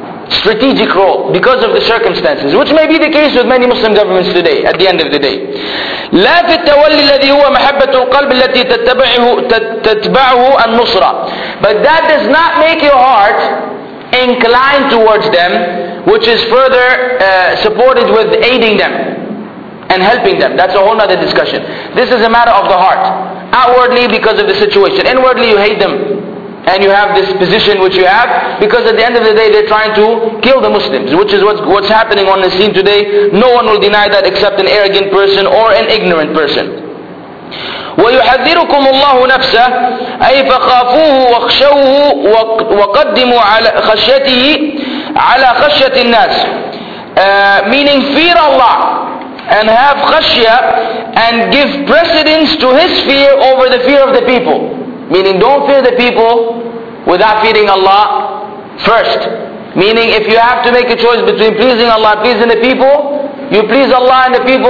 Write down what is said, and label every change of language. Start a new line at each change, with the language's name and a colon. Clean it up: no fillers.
English: Strategic role because of the circumstances, which may be the case with many Muslim governments today. At the end of the day,
Arabic: لا في التولي الذي هو محبة القلب التي تتبعه النصرة.
English: But that does not make your heart inclined towards them, which is further supported with aiding them. and helping them. That's a whole other discussion. This is a matter of the heart. Outwardly, because of the situation. Inwardly, you hate them. And you have this position which you have, because at the end of the day, they're trying to kill the Muslims, which is what's happening on the scene today. No one will deny that except an arrogant person or an ignorant person.
Arabic: ويحذركم الله نفسه أي فخافوه واخشوه وقدموا على خشيته على خشية الناس.
English: Meaning fear Allah and have khashya and give precedence to His fear over the fear of the people. Meaning don't fear the people without fearing Allah first. Meaning if you have to make a choice between pleasing Allah and pleasing the people, you please Allah and the people.